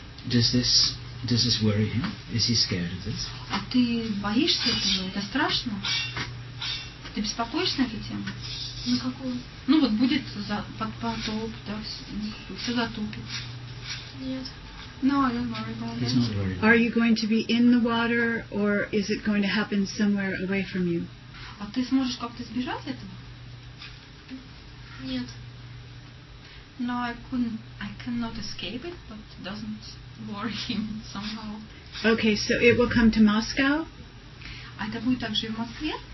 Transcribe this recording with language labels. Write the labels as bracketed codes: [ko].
[en] Does this worry him? Is he scared of this? [ru] А ты боишься этого? Это страшно? Ты беспокоишься на эту тему? На какую? Ну вот будет под потоп, да, все затопит. Нет. [en] No, I don't worry about that. He's not worried. Are you going to be in the water or is it going to happen somewhere away from you? [ru] А ты сможешь как-то избежать этого? Нет. [en] No, I cannot escape it, but it doesn't worry him somehow. Okay, so it will come to Moscow? [ru] А это будет также в Москве?